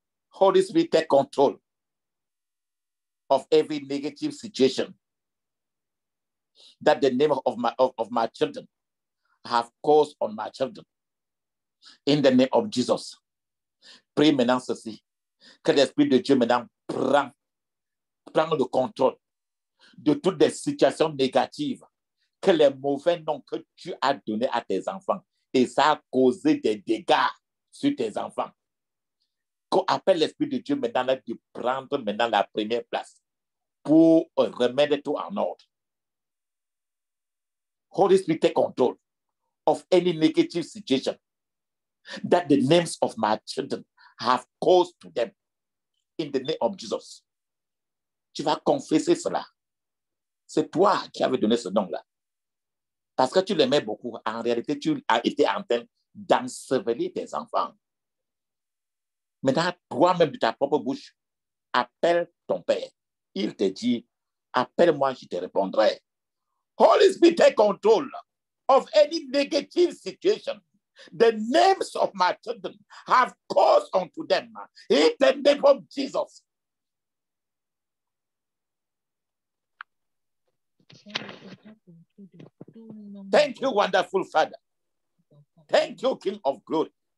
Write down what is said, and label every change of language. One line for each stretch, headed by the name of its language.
English: Holy Spirit, take control of every negative situation that the name of my children have caused on my children. In the name of Jesus, pray
French: maintenant ceci. Que l'Esprit de Dieu maintenant prend le contrôle de toutes les situations négatives. Que les mauvais noms que tu as donné à tes enfants et ça a causé des dégâts sur tes enfants. Qu'on appelle l'Esprit de Dieu maintenant de prendre maintenant la première place pour remettre tout en ordre.
English: Holy Spirit, take control of any negative situation that the names of my children have caused to them in the name of Jesus.
French: Tu vas confesser cela. C'est toi qui avais donné ce nom-là. Parce que tu l'aimais beaucoup, en réalité, tu as été en train d'ensevelir tes enfants. Maintenant, toi-même, de ta propre bouche, appelle ton père. Il te dit, appelle-moi, je te répondrai.
English: Holy Spirit, take control of any negative situation. The names of my children have caused unto them. In the name of Jesus. Thank you, wonderful Father. Thank you, King of Glory.